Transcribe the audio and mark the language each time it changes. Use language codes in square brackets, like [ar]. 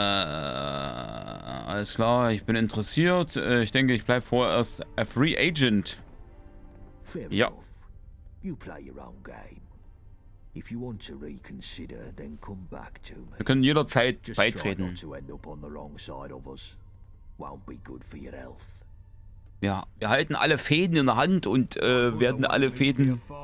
[de] Alles klar, ich bin interessiert. Ich denke, ich bleibe vorerst [en] a free agent. Fair enough. You play your own game. If you want to reconsider, then come back to me. [de] Wir können jederzeit beitreten. [en] Just try not to end up on the wrong side of us. Won't be good for your health. [de] Ja, wir halten alle Fäden in der Hand und werden alle Fäden.